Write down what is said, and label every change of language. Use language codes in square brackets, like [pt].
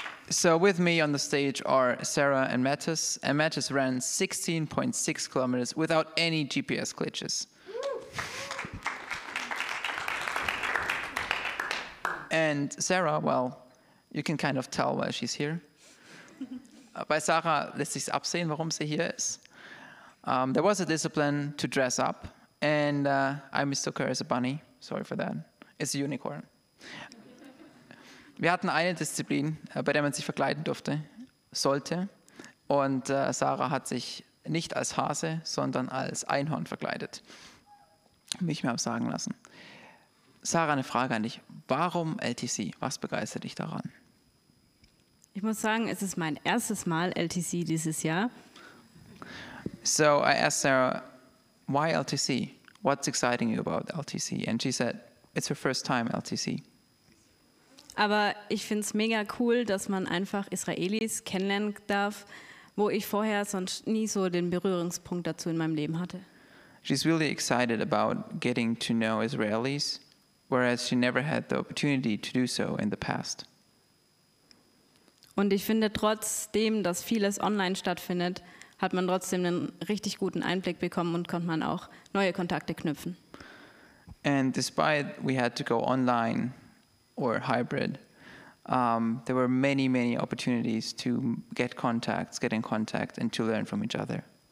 [en] So with me on the stage are Sarah and Mathis. And Mathis ran 16.6 kilometers without any GPS glitches. And Sarah, well, you can kind of tell why she's here. [de] Bei Sarah lässt sich's absehen, warum sie hier ist. [en] There was a discipline to dress up, and I mistook her as a bunny. Sorry for that. It's a unicorn. [de] Wir hatten eine Disziplin, bei der man sich verkleiden durfte, sollte. Und Sarah hat sich nicht als Hase, sondern als Einhorn verkleidet. Mich mehr sagen lassen. Sarah, eine Frage an dich. Warum LTC? Was begeistert dich daran? Ich muss sagen, es ist mein erstes Mal LTC dieses Jahr. [en] So I asked Sarah, why LTC? What's exciting you about LTC? And she said, it's her first time LTC. [de] Aber ich finde es mega cool, dass man einfach Israelis kennenlernen darf, wo ich vorher sonst nie so den Berührungspunkt dazu in meinem Leben hatte. [en] She's really excited about getting to know Israelis, whereas she never had the opportunity to do so in the past. [de] Und ich finde, trotzdem, dass vieles online stattfindet, hat man trotzdem einen richtig guten Einblick bekommen und konnte man auch neue Kontakte knüpfen. [en] And despite we had to go online or hybrid, there were many, many opportunities to get in contact and to learn from each other.